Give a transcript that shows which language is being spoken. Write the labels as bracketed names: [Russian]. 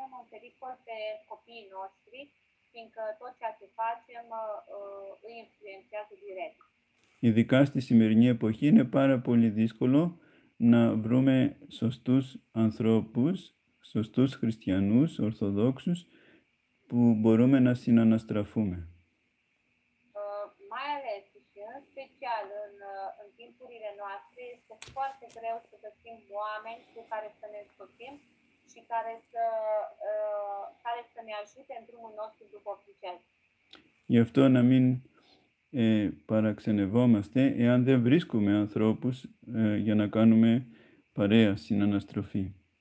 [Romanian] pericol pe copiii noștri, fiindcă tot ceea ce facem îi influențează direct. [Greek] Ειδικά στη σημερινή εποχή είναι πάρα πολύ δύσκολο να βρούμε σωστούς ανθρώπους, σωστούς χριστιανούς, ορθοδόξους, που μπορούμε να συναναστραφούμε. [Romanian] Mai ales, special în timpurile noastre, este foarte greu să găsim oameni cu care să ne scopim și care să ne ajute în drumul nostru duhovnicesc. [Greek] Γι' αυτό να μην παραξενευόμαστε εάν δεν βρίσκουμε ανθρώπους για να κάνουμε παρέα στην αναστροφή.